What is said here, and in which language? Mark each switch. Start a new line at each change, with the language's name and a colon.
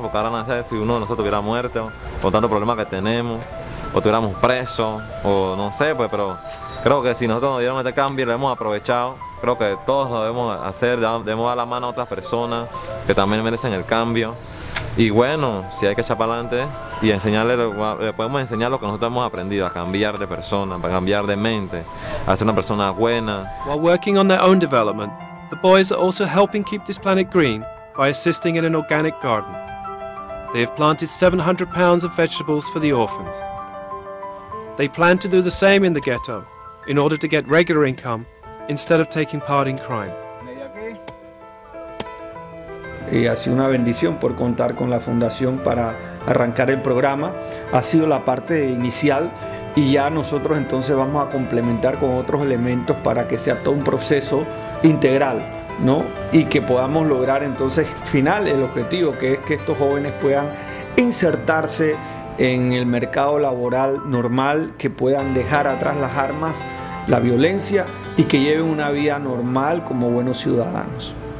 Spanish: Porque ahora no sé si uno de nosotros hubiera muerto, con tantos problemas que tenemos, o tuviéramos preso, o no sé, pues, pero creo que si nosotros nos dieron este cambio y lo hemos aprovechado, creo que todos lo debemos hacer, debemos dar la mano a otras personas que también merecen el cambio. Y bueno, si hay que echar para adelante y enseñarle, le podemos enseñar lo que nosotros hemos aprendido, a cambiar de persona, a cambiar de mente, a ser una persona buena.
English: While working on their own development, the boys are also helping keep this planet green by assisting in an organic garden. They have planted 700 pounds of vegetables for the orphans. They plan to do the same in the ghetto in order to get regular income instead of taking part in crime.
Spanish: Y ha sido una bendición por contar con la fundación para arrancar el programa. Ha sido la parte inicial y ya nosotros entonces vamos a complementar con otros elementos para que sea todo un proceso integral, ¿no? Y que podamos lograr entonces final el objetivo, que es que estos jóvenes puedan insertarse en el mercado laboral normal, que puedan dejar atrás las armas, la violencia y que lleven una vida normal como buenos ciudadanos.